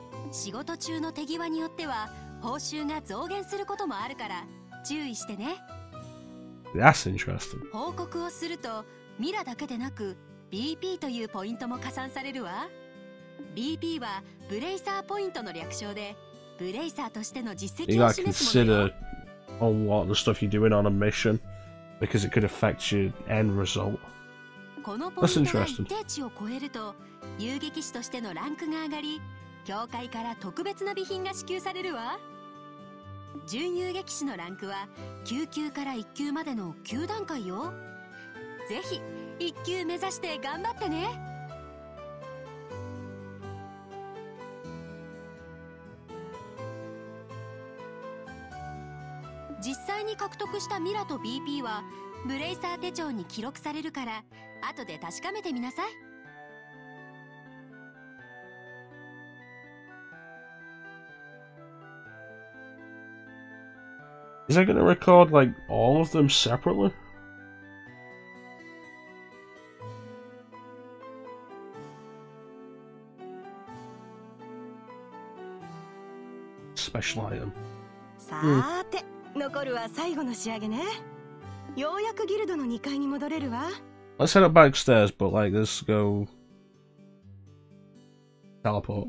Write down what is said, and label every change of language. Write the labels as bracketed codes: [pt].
[ja] 仕事中の手際によっては報酬が増減することもあるから注意してね。 [en] That's interesting. [ja] 報告をするとミラだけでなく BP というポイントも加算されるわ。 BP はブレイサーポイントの略称で、ブレイサーとしての実績を示すものよ。 [en] You gotta consider on what the stuff you're doing on a mission, because it could affect your end result. [ja] このポイントが一定値を超えると遊撃士としてのランクが上がり、教会から特別な備品が支給されるわ。準遊撃士のランクは9級から1級までの9段階よ。ぜひ1級目指して頑張ってね。実際に獲得したミラと BP はブレイサー手帳に記録されるから後で確かめてみなさい。 [en] Is that going to record like all of them separately? Special item. [ja] さーて、残るは最後の仕上げね。ようやくギルドの2階に戻れるわ。 [en] Let's head up back upstairs, but like, let's go teleport.